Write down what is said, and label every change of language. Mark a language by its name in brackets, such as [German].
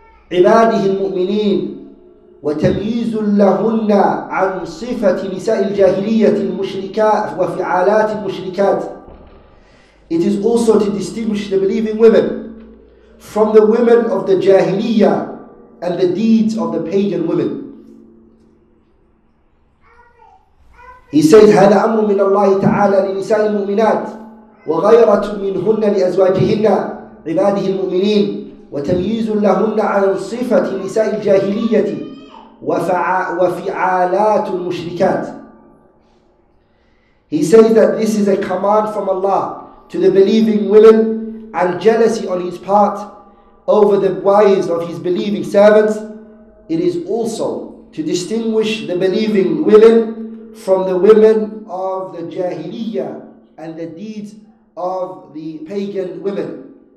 [Arabic] عِبَادِهِ الْمُؤْمِنِينَ وَتَمْيِيزٌ لَهُنَّ عَنْ صِفَةِ نِسَاءِ الْجَاهِلِيَّةِ الْمُشْرِكَاتِ وَفِعَالَاتِ الْمُشْرِكَاتِ. [English] It is also to distinguish the believing women from the women of the jahiliyyah and the deeds of the pagan women. He says, [Arabic] هذا أمر من الله تعالى لنساء المؤمنات وغيرة منهن لأزواجهن عباده المؤمنين وتمييز لهن عن صفة نساء الجاهلية وفعالات المشركات. [English] He says that this is a command from Allah to the believing women, and jealousy on his part over the wives of his believing servants. It is also to distinguish the believing women from the women of the jahiliyyah and the deeds of the pagan women.